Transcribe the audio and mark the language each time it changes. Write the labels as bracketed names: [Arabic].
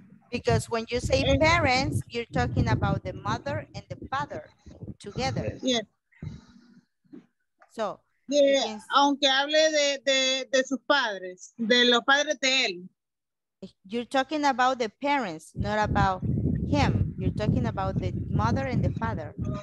[English] Because when you say parents, you're talking about the mother and the father together. Yes. So. [Spanish] Yeah, aunque hable de sus padres, de los padres de él. [English] You're talking about the parents, not about him. You're talking about the mother and the father.